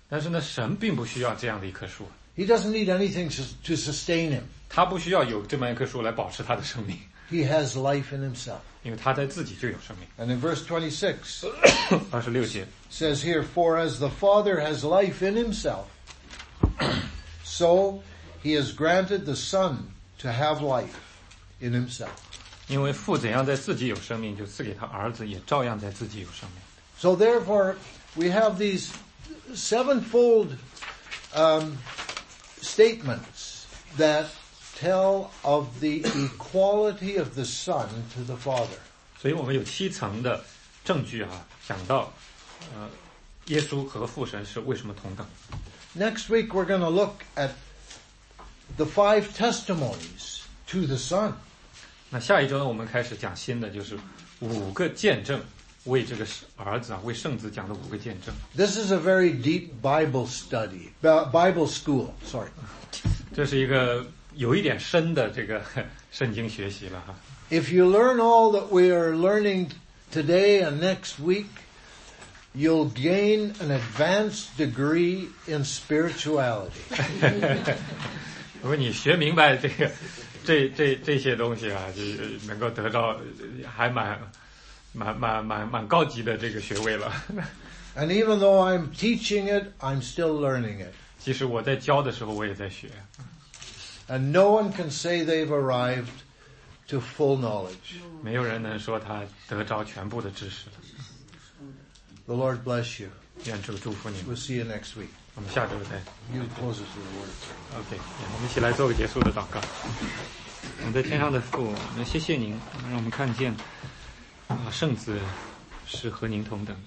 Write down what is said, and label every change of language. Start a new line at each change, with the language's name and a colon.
Chinese: 但是呢，神并不需要这样的一棵树。
English: He doesn't need anything to sustain him.
Chinese: 他不需要有这么一棵树来保持他的生命。
English: He has life in himself.
Chinese: 因为他在自己就有生命。
English: And in verse 26,
Chinese: 二十六节
English: says here, "For as the Father has life in himself, so he has granted the Son to have life in himself."
Chinese: 因为父怎样在自己有生命，就赐给他儿子也照样在自己有生命。
English: So therefore, we have these. Sevenfold statements that tell of the equality of the Son to the Father.
Chinese: 所以我们有七层的证据啊，讲到耶稣和父神是为什么同等。
English: Next week we're going to look at the five testimonies to the Son.
Chinese: 那下一周呢，我们开始讲新的，就是五个见证。为这个儿子啊，为圣子讲的五个见证。
English: This is a very deep Bible study, Bible school. Sorry,
Chinese: 这是一个有一点深的这个圣经学习了哈。
English: If you learn all that we are learning today and next week, you'll gain an advanced degree in spirituality.
Chinese: 如果你学明白这个这些东西啊，就能够得到还蛮高级的这个学位了。
English: And even though I'm teaching it, I'm still learning it.
Chinese: 其实我在教的时候我也在学。
English: And no one can say they've arrived to full knowledge.
Chinese: 没有人能说他得着全部的知识了。
English: The Lord bless you.
Chinese: 愿主祝福你。
English: We'll see you next week.
Chinese: 我们下周再。
English: You close us with the word.
Chinese: Okay, yeah, 我们一起来做个结束的祷告。我们在天上的父，那谢谢您，让我们看见啊，圣子是和您同等。